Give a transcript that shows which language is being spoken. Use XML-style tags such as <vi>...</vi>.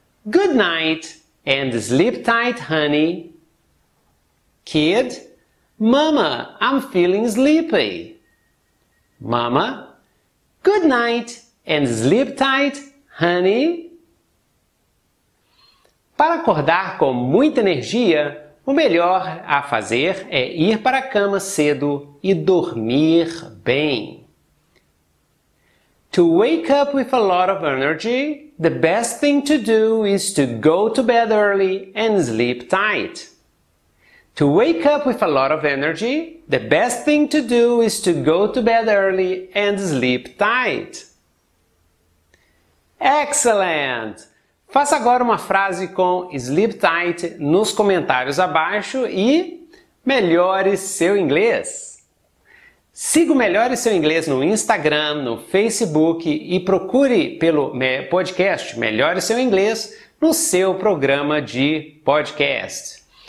<en>Good night and sleep tight, honey. Kid, Mama, I'm feeling sleepy. Mama, good night and sleep tight, honey.</en> <pt>Para acordar com muita energia, o melhor a fazer é ir para a cama cedo e dormir bem.</pt> <en>To wake up with a lot of energy, the best thing to do is to go to bed early and sleep tight. To wake up with a lot of energy, the best thing to do is to go to bed early and sleep tight. Excellent!</en> <pt>Faça agora uma frase com sleep tight nos comentários abaixo e melhore seu inglês. Siga o Melhore Seu Inglês no Instagram, no Facebook e procure pelo podcast Melhore Seu Inglês no seu programa de podcast.</pt>